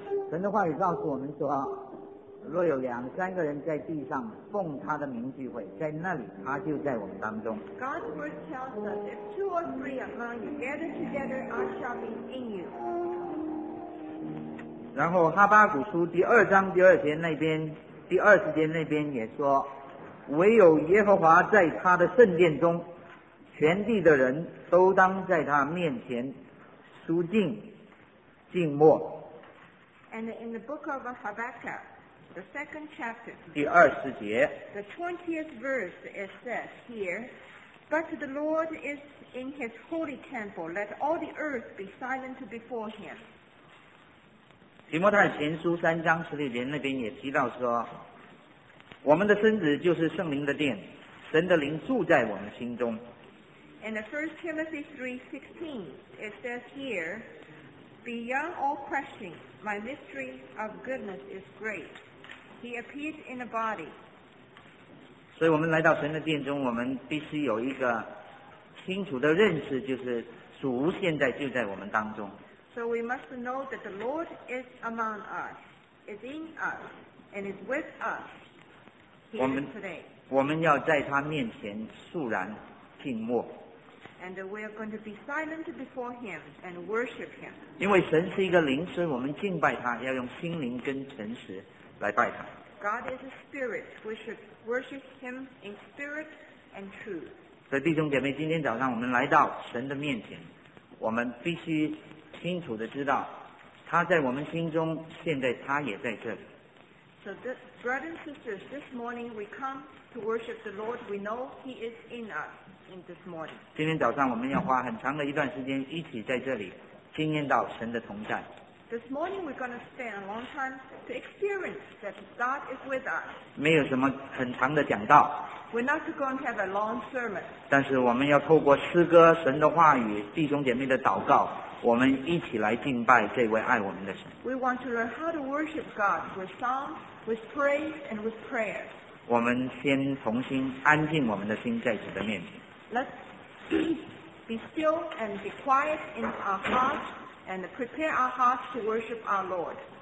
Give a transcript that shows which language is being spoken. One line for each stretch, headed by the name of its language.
Chinese: 神的话语告诉我们说，若有两三个人在地上奉他的名聚会，在那里他就在我们当中。
English: God's word tells us, if two or three among you gather together, I shall be in you.
Chinese: 然后哈巴谷书第二章第二节那边，第二十节那边也说，唯有耶和华在他的圣殿中，全地的人都当在他面前肃静静默。
English: And in the book of Habakkuk,The second chapter,
Chinese: 第二十节
English: the 20th verse it says here, But the Lord is in his holy temple, let all the earth be silent before him.
Chinese: 提摩太前书三章十六节那边也提到说，我们的身子就是圣灵的殿，神的灵住在我们心中。
English: In the 1 Timothy 3:16 it says here, Beyond all question, my mystery of goodness is great. He appears in a body.
Chinese: 所以我们来到神的殿中，我们必须有一个清楚的认识，就是主现在就在我们当中。
English: So we must know that the Lord is among us, is in us, and is with us. He is today.
Chinese: 我们要在他面前肃然静默。
English: And we are going to be silent before him and worship him.
Chinese: 因为神是一个灵，所以我们敬拜他要用心灵跟诚实。来拜他。
English: God is a spirit. We should worship him in spirit and truth.
Chinese: 所以弟兄姐妹，今天早上我们来到神的面前，我们必须清楚地知道他在我们心中，现在他也在这里。
English: So this, brothers and sisters, this morning we come to worship the Lord. We know he is in us in this morning.
Chinese: 今天早上我们要花很长的一段时间一起在这里经验到神的同在。
English: This morning we're going to spend a long time to experience that God is with us.
Chinese: 没有什么很长的讲道。
English: We're not going to have a long sermon.
Chinese: 但是我们要透过诗歌、神的话语、弟兄姐妹的祷告，我们一起来敬拜这位爱我们的神。
English: We want to learn how to worship God with songs, with praise, and with prayer.
Chinese: 我们先重新安静我们的心在主的面前。
English: Let's be still and be quiet in our hearts. And prepare our hearts to worship our Lord.